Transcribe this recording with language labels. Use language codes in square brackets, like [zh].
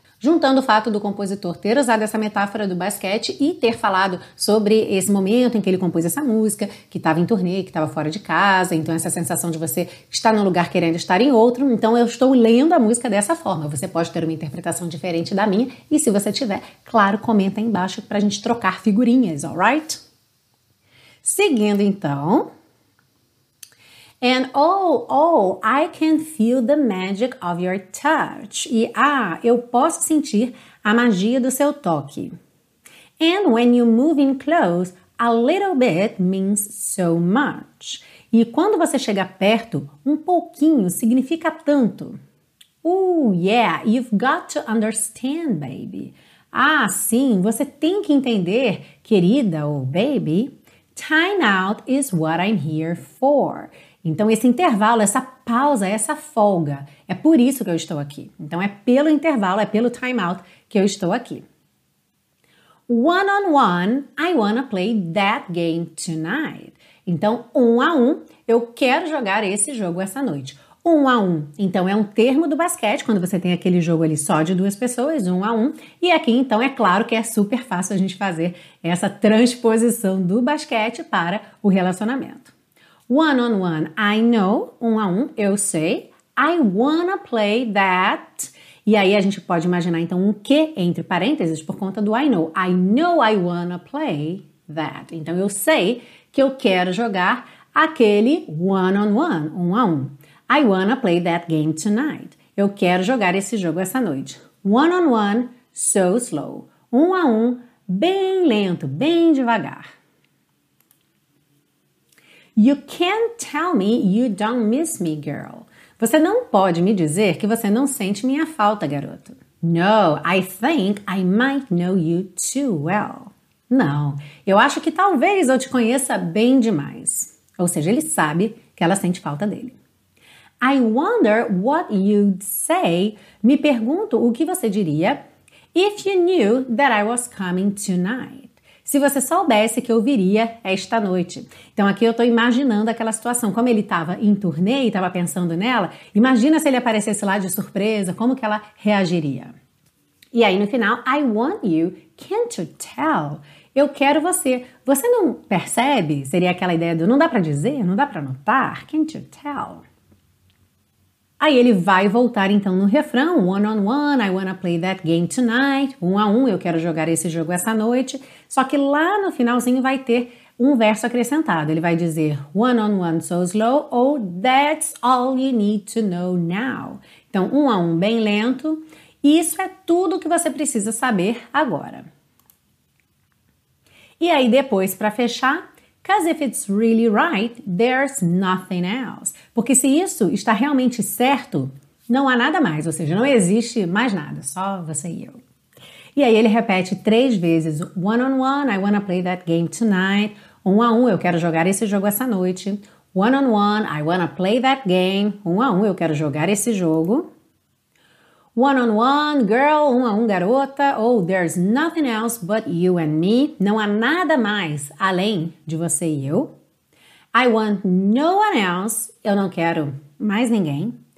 [pt] Juntando o fato do compositor ter usado essa metáfora do basquete e ter falado sobre esse momento em que ele compôs essa música, que estava em turnê, que estava fora de casa, então essa sensação de você estar num lugar querendo estar em outro, então eu estou lendo a música dessa forma. Você pode ter uma interpretação diferente da minha, e se você tiver, claro, comenta aí embaixo para a gente trocar figurinhas, alright? Seguindo então. [en] And oh, I can feel the magic of your touch. [pt] E, eu posso sentir a magia do seu toque. [en] And when you move in close, a little bit means so much. [pt] E quando você chega perto, um pouquinho significa tanto. [en] Yeah, you've got to understand, baby. [pt] Sim, você tem que entender, querida ou baby. [en] Time out is what I'm here for. [pt] Então, esse intervalo, essa pausa, essa folga, é por isso que eu estou aqui. Então, é pelo intervalo, é pelo timeout que eu estou aqui. [en] One-on-one, I wanna play that game tonight. [pt] Então, um a um, eu quero jogar esse jogo essa noite. Um a um, então, é um termo do basquete, quando você tem aquele jogo ali só de duas pessoas, um a um. E aqui, então, é claro que é super fácil a gente fazer essa transposição do basquete para o relacionamento. [en] One on one, I know, [pt] um a um, eu sei, [en] I wanna play that, [pt] e aí a gente pode imaginar então um que entre parênteses por conta do [en] I know I wanna play that, [pt] então eu sei que eu quero jogar aquele [en] one on one, [pt] um a um, [en] I wanna play that game tonight, [pt] eu quero jogar esse jogo essa noite, [en] one on one, so slow, [pt] um a um, bem lento, bem devagar. [en] You can't tell me you don't miss me, girl. [pt] Você não pode me dizer que você não sente minha falta, garoto. [en] No, I think I might know you too well. [pt] Não, eu acho que talvez eu te conheça bem demais. Ou seja, ele sabe que ela sente falta dele. [en] I wonder what you'd say. [pt] Me pergunto o que você diria [en] if you knew that I was coming tonight. [pt] Se você soubesse que eu viria esta noite. Então, aqui eu estou imaginando aquela situação. Como ele estava em turnê e estava pensando nela, imagina se ele aparecesse lá de surpresa, como que ela reagiria. E aí, no final, [en] I want you, can't you tell? [pt] Eu quero você. Você não percebe? Seria aquela ideia do não dá para dizer, não dá para notar, [en] can't you tell? [pt] Aí ele vai voltar então no refrão, [en] one on one, I wanna play that game tonight, [pt] um a um, eu quero jogar esse jogo essa noite. Só que lá no finalzinho vai ter um verso acrescentado, ele vai dizer [en] one on one so slow, [pt] ou [en] that's all you need to know now. [pt] Então, um a um bem lento, e isso é tudo que você precisa saber agora. E aí depois, para fechar, [en] because if it's really right, there's nothing else. [pt] Porque se isso está realmente certo, não há nada mais. Ou seja, não existe mais nada. Só você e eu. E aí ele repete três vezes. [en] One on one, I wanna play that game tonight. [pt] Um a um, eu quero jogar esse jogo essa noite. [en] One on one, I wanna play that game. [pt] Um a um, eu quero jogar esse jogo. [en] One on one, girl, [pt] um a um, garota, ou [en] there's nothing else but you and me, [pt] não há nada mais além de você e eu. [en] I want no one else. [pt] Eu não quero mais ninguém.